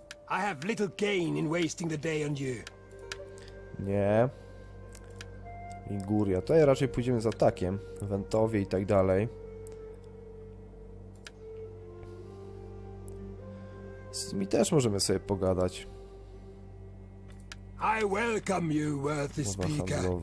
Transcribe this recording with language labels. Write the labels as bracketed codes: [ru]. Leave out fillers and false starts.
[en] I have little gain in wasting the day on you. [pl] Nie. Liguria. Tutaj raczej pójdziemy z atakiem. Wentowie i tak dalej. Z tymi też możemy sobie pogadać. [en] I welcome you, worthy speaker.